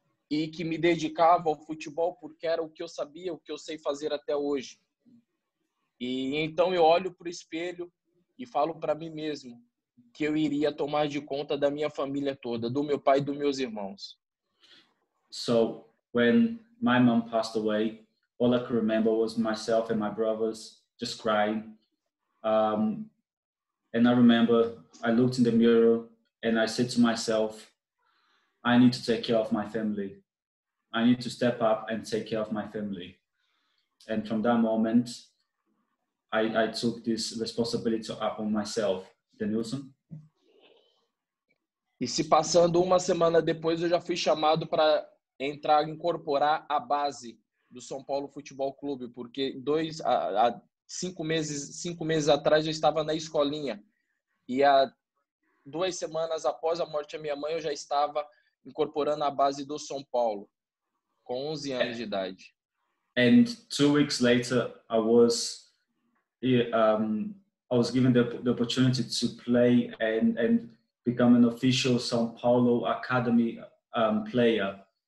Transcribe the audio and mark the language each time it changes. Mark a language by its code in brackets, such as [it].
[pt] e que me dedicava ao futebol, porque era o que eu sabia, o que eu sei fazer até hoje, e então eu olho para o espelho e falo para mim mesmo, que eu iria tomar de conta da minha família toda, do meu pai e dos meus irmãos. [en] So, when my mom passed away, all I could remember was myself and my brothers just crying. And I remember I looked in the mirror and I said to myself, I need to take care of my family. I need to step up and take care of my family. And from that moment, I took this responsibility upon myself. [pt] Denilson? E se passando uma semana depois, eu já fui chamado para entrar, incorporar a base do São Paulo Futebol Clube, porque cinco meses atrás eu estava na escolinha. E há 2 semanas após a morte da minha mãe, eu já estava incorporando a base do São Paulo, com 11 anos de idade. [en] And 2 weeks later, I was given the opportunity to play and become an official São Paulo Academy player.